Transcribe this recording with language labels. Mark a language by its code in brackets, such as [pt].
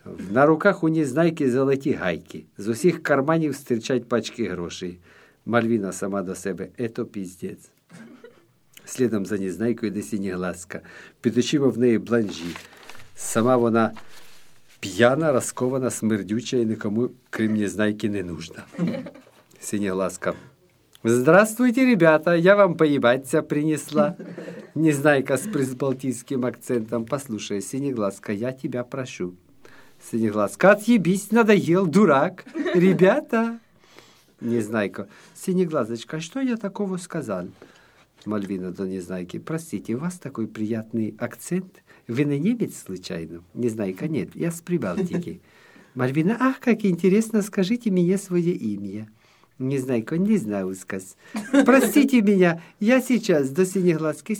[uk] На руках у Незнайки золоті гайки. З усіх карманів стирчать пачки грошей. Мальвіна сама до себе. [ru] Ето піздець. [uk] Слідом за Незнайкою йде Синєглазка. Під очима в неї бланжі. Сама вона п'яна, розкована, смердюча і нікому, крім Незнайки, не нужна. Синєглазка. [ru] Здравствуйте, ребята, я вам поїбаться принесла. [uk] Незнайка з прибалтійським акцентом. [ru] Послушай, Синєглазка, я тебя прошу. Синєглазка, отъебись, надоел, дурак. Ребята. Незнайка. [uk] Синєглазочка, що я такого сказав? Мальвина до Незнайки. [ru] Простите, у вас такой приятный акцент. Вы не немец, случайно? Незнайка, нет, я с Прибалтики. Мальвина, ах, как интересно, скажите мне свое имя. Незнайка, не знаю сказ. Простите меня, я сейчас до Синеглазки.